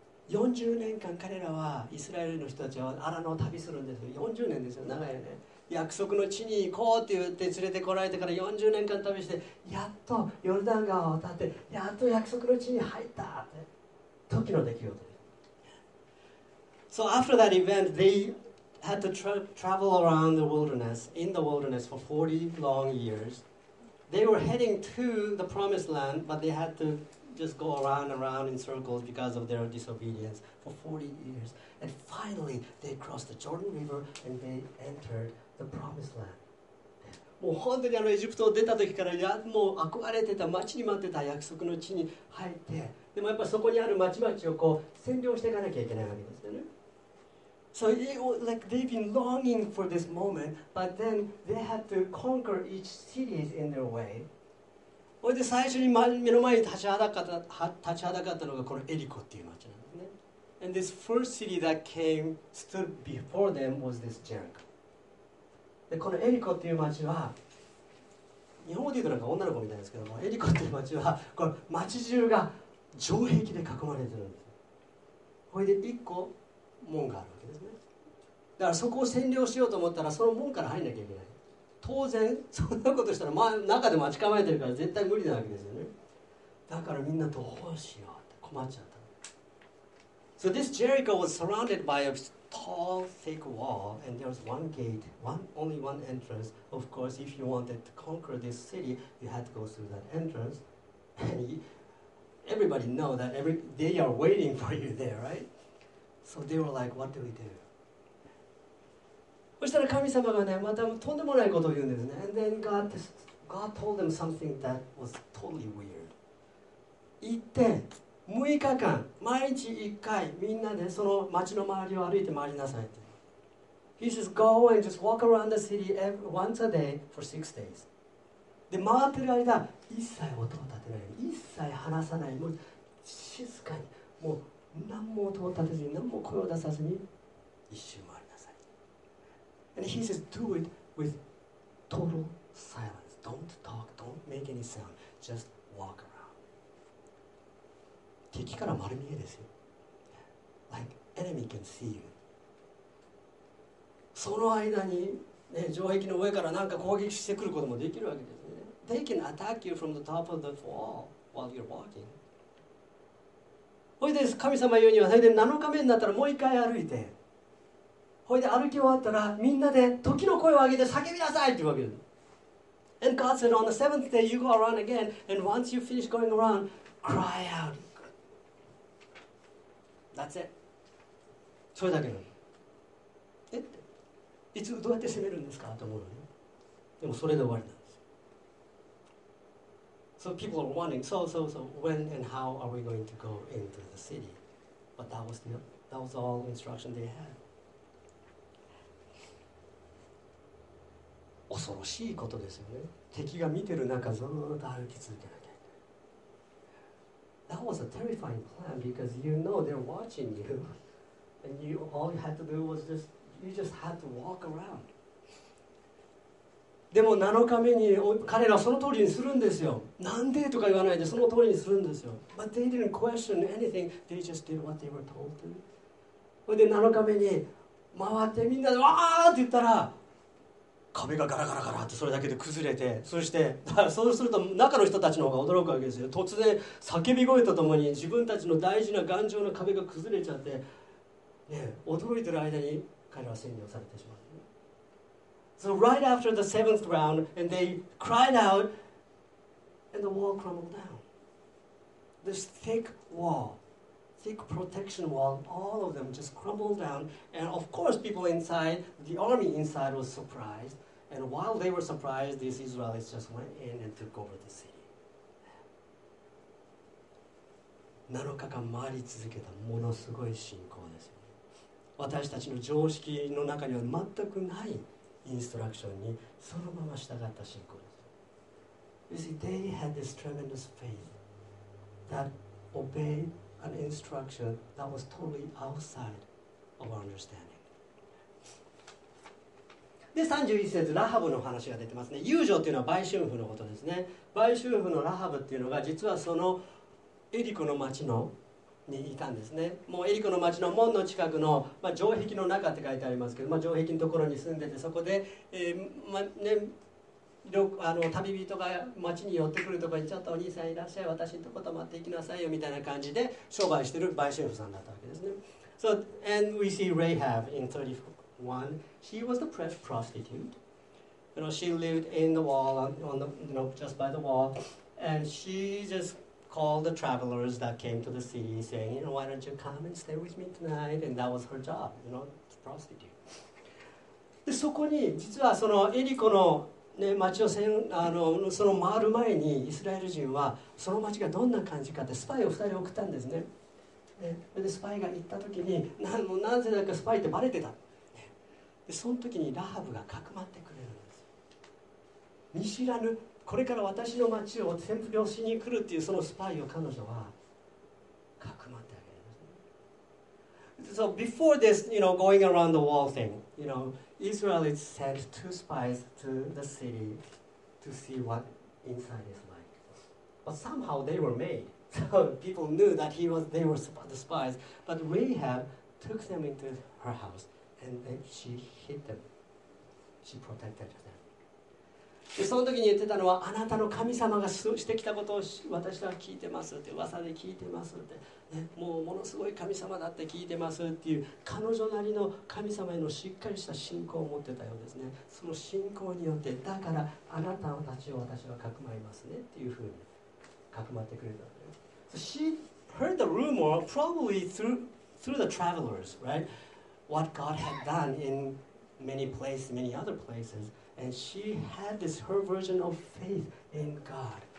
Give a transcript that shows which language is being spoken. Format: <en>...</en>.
<ja>40年間彼らはイスラエルの人たちはアラノを旅するんですよ。40年ですよ、長いよね。約束の地に行こうって言って連れてこられてから40年間旅してやっとヨルダン川を渡ってやっと約束の地に入ったって時の出来事です。</ja> <en>So after that event, they had to travel around the wilderness, in the wilderness for 40 long years. They were heading to the promised land, but they had to just go around and around in circles because of their disobedience for 40 years. And finally, they crossed the Jordan River and they entered the promised land.</en> <ja>もう本当にあのエジプトを出た時からいやもう憧れてた、待ちに待ってた約束の地に入って、でもやっぱそこにある町々をこう占領していかなきゃいけないわけですよね。</ja> <en>So it was like they've been longing for this moment, but then they had to conquer each city in their way.</en> <ja>それで最初に目の前に立ちはだかったのがこのエリコっていう町なんですね。</ja> <en>And this first city that came stood before them was this Jericho.</en> <ja>でこのエリコっていう町は日本語で言うとなんか女の子みたいですけども、エリコっていう町はこの町中が城壁で囲まれてるんです。それで一個門があるわけですね。だからそこを占領しようと思ったらその門から入んなきゃいけない。当然そんなことしたら、まあ、中で待ち構えてるから絶対無理なわけですよね。だからみんなどうしようって困っちゃった。</ja> <en>So this Jericho was surrounded by a tall thick wall and there was one gate, only one entrance. Of course, if you wanted to conquer this city, you had to go through that entrance. And everybody know that they are waiting for you there, right? So they were like, what do we do?</en> <ja>そしたら神様がね、またとんでもないことを言うんですね。</ja> <en>And then God told them something that was totally weird.</en> <ja>行って、6日間、毎日1回、みんなでその町の周りを歩いて回りなさいって。</ja> <en>He says, go and just walk around the city once a day for 6 days.</en> <ja>で、回ってる間、一切音を立てない。一切話さない。もう静かに。もう何も音を立てずに、何も声を出さずに一周回りなさい。</ja> <en>And he says, do it with total silence. Don't talk, don't make any sound. Just walk around.</en> <ja>敵から丸見えですよ。</ja> <en>Like enemy can see you.</en> <ja>その間に、ね、城壁の上から何か攻撃してくることもできるわけですね。</ja> <en>They can attack you from the top of the wall while you're walking.</en> <ja>ほいで神様言うには、それで7日目になったらもう一回歩いて、ほいで歩き終わったらみんなで時の声を上げて叫びなさいって言うわけです。</ja> <en>And God said, on the seventh day, you go around again, and once you finish going around, cry out. That's it.</en> <ja>それだけなの。えって、いつどうやって攻めるんですかと思うのね。でもそれで終わりなんです。</ja> <en>So people are wondering, so, when and how are we going to go into the city? But that was all the instruction they had.</en> <ja>恐ろしいことですよね。敵が見てる中ずっと歩き続けなきゃいけない。</ja> <en>That was a terrifying plan because you know they're watching you. And all you had to do was you just had to walk around.</en> <ja>でも7日目に彼らその通りにするんですよ。なんでとか言わないでその通りにするんですよ。</ja> <en>But they didn't question anything. They just did what they were told to.</en> <ja>それで7日目に回ってみんなでわーって言ったら壁がガラガラガラってそれだけで崩れて、そしてそうすると中の人たちの方が驚くわけですよ。突然叫び声とともに自分たちの大事な頑丈な壁が崩れちゃって、ね、驚いてる間に彼らは占領されてしまう。</ja> <en>So right after the seventh round, and they cried out, and the wall crumbled down. This thick wall, thick protection wall, all of them just crumbled down. And of course, people inside, the army inside was surprised. And while they were surprised, these Israelites just went in and took over the city.</en> <ja>7日間回り続けたものすごい信仰ですよ。私たちの常識の中には全くないインストラクションにそのまま従った信仰です。</ja> <en>You see, they had this tremendous faith that obeyed an instruction that was totally outside of our understanding.</en> <ja>で、31節、ラハブの話が出てますね。遊女というのは売春婦のことですね。売春婦のラハブというのが実はそのエリコの町のにいたんですね。もうエリコの町の門の近くの、まあ、城壁の中って書いてありますけど、まあ、城壁のところに住んでて、そこで、まあね、あの旅人が町に寄ってくるところにちょっとお兄さんいらっしゃい、私のとこ泊まっていきなさいよみたいな感じで商売してる売春婦さんだったわけですね。</ja> <en>So and we see Rahab in 31. She was the prostitute. You know, she lived in the wall on the, you know, just by the wall, and she justcalled the travelers that came to the city saying, you know, why don't you come and stay with me tonight? And that was her job, you know, to prostitute.</en> <ja>で、そこに実はそのエリコの、ね、町をせんあのその回る前にイスラエル人はその町がどんな感じかってスパイを2人送ったんですね。でスパイが行った時に何故だかスパイってバレてた。で、その時にラハブがかくまってくれるんです。見知らぬこれから私の町を占領しに来るっていうそのスパイを彼女はかくまってあげるんですね。</ja> <en>So before this, you know, going around the wall thing, you know, Israelites sent two spies to the city to see what inside is like. But somehow they were made. So people knew that they were the spies. But Rahab took them into her house and then she hid them. She protected them.</en> <ja>でその時に言ってたのは、あなたの神様がしてきたことを私は聞いてますって噂で聞いてますって、ね、もうものすごい神様だって聞いてますっていう彼女なりの神様へのしっかりした信仰を持ってたようですね。その信仰によってだからあなたたちを私はかくまいますねっていうふうにかくまってくれた。</ja> <en>So she heard the rumor probably through the travelers, right? What God had done in many other places. And she had this her version of faith in God.</en>